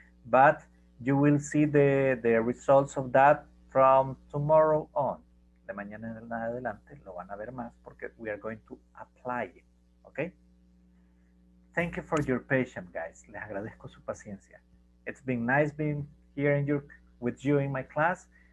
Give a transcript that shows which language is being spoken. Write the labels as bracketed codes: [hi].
[en] But you will see the results of that from tomorrow on. [es] De mañana en adelante lo van a ver más porque [en] we are going to apply it. Okay? Thank you for your patience, guys. [es] Les agradezco su paciencia. [en] It's been nice being here in your, with you in my class.